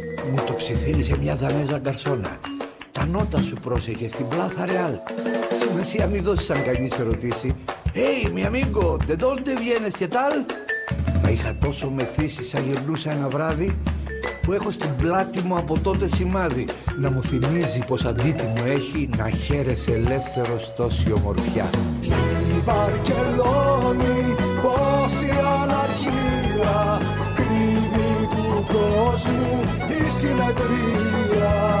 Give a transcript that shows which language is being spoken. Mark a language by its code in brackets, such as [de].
[el] Μου το ψιθύρισε μια Δανέζα γκαρσόνα. Τα νότα σου πρόσεχε στην Πλάθα Ρεάλ. Σημασία μη δώσεις αν κανείς ερωτήσει. [es] Hey, mi amigo, de dónde vienes, qué tal? [el] Μα είχα τόσο μεθύσει σαν γυρνούσα ένα βράδυ που έχω στην πλάτη μου από τότε σημάδι να μου θυμίζει πως αντίτιμο έχει να χαίρεσαι ελεύθερος τόση ομορφιά. Στη Βαρκελόνη πως η αναρχία κρύβει του κόσμου η συνεδρία.